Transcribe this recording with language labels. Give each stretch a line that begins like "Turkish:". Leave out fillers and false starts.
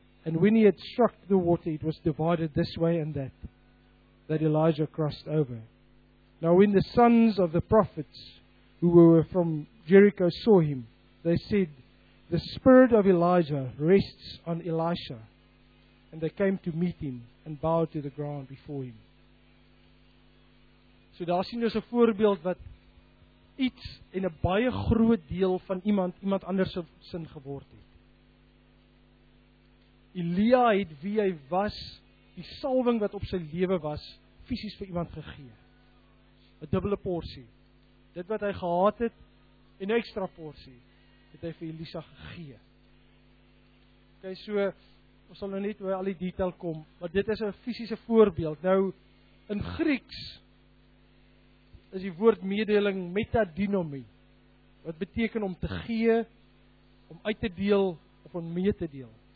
English: And when he had struck the water, it was divided this way and that Elijah crossed over. Now when the sons of the prophets who were from Jericho saw him, they said, The spirit of Elijah rests on Elisha. And they came to meet him and bowed to the ground before him.
Afrikaans: So daar sien ons 'n voorbeeld wat iets en 'n baie groot deel van iemand anders sin geword het. Elia het wie hy was, die salwing wat op sy lewe was, fisies vir iemand gegee. 'N dubbele porsie. Dit wat hy gehad het en 'n ekstra porsie het hy vir Elisa gegee. OK, so ons sal nou net oor al die detail kom, maar dit is 'n fisiese voorbeeld. Nou in Grieks is die woord meedeling metadynomie, wat beteken om te gee, om uit te deel, of om mee te deel.